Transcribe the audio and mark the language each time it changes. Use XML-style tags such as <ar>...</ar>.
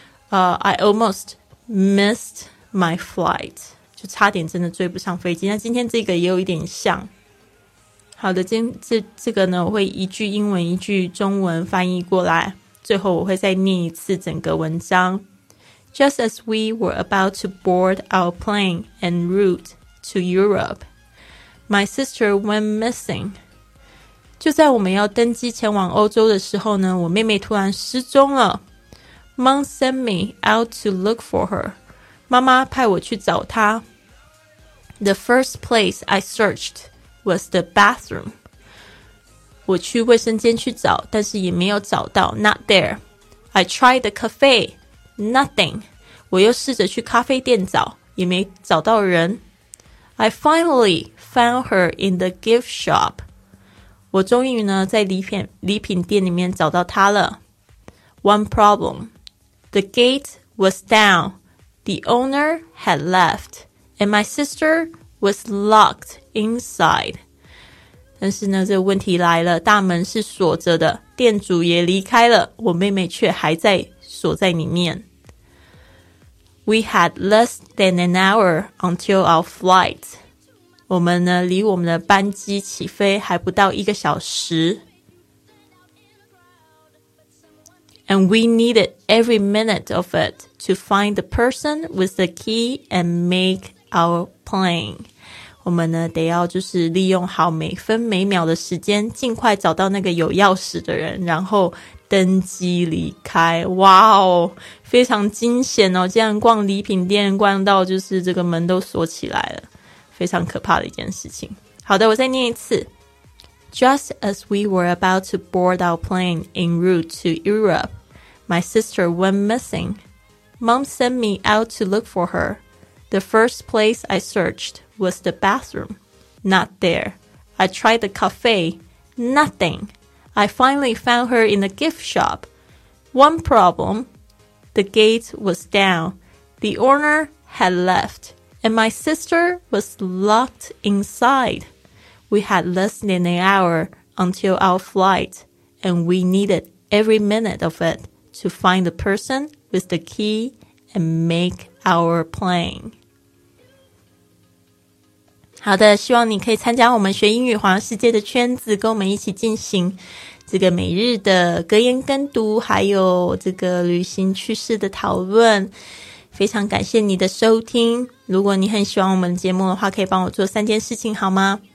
<en>I almost missed my flight，</en> <zh>就差点真的追不上飞机。那今天这个也有一点像。好的，这个呢，我会一句英文一句中文翻译过来，最后我会再念一次整个文章。</zh> <en>Just as we were about to board our plane en route to Europe, my sister went missing.</en> <zh>就在我们要登机前往欧洲的时候呢，我妹妹突然失踪了。</zh> <en>Mom sent me out to look for her，</en> <zh>妈妈派我去找她。</zh> <en>The first place I searched was the bathroom，</en> <zh>我去卫生间去找，但是也没有找到。</zh> <en>Not there， I tried the cafe， nothing，</en> <zh>我又试着去咖啡店找，也没找到人。</zh> <en>I finally found her in the gift shop，</en> <zh>我终于呢在礼品店里面找到他了。</zh> <en>One problem, the gate was down, the owner had left, and my sister was locked inside.</en> <zh>但是呢这个问题来了，大门是锁着的，店主也离开了，我妹妹却还在锁在里面。</zh> <en>We had less than an hour until our flight.</en> <zh>我们呢离我们的班机起飞还不到一个小时。</zh> <en>And we needed every minute of it to find the person with the key and make our plane.</en> <zh>我们呢得要就是利用好每分每秒的时间，尽快找到那个有钥匙的人，然后登机离开。哇哦，非常惊险哦，竟然逛礼品店逛到就是这个门都锁起来了，非常可怕的一件事情。好的，我再念一次。</zh> <en>Just as we were about to board our plane en route to Europe, my sister went missing. Mom sent me out to look for her. The first place I searched was the bathroom. Not there. I tried the cafe. Nothing. I finally found her in the gift shop. One problem. The gate was down. The owner had left. And my sister was locked inside. We had less than an hour until our flight, and we needed every minute of it to find the person with the key and make our plane.</en> <zh>好的，希望你可以参加我们学英语环游世界的圈子，跟我们一起进行这个每日的格言跟读，还有这个旅行趣事的讨论。非常感谢你的收听，如果你很喜欢我们节目的话，可以帮我做三件事情好吗？</zh>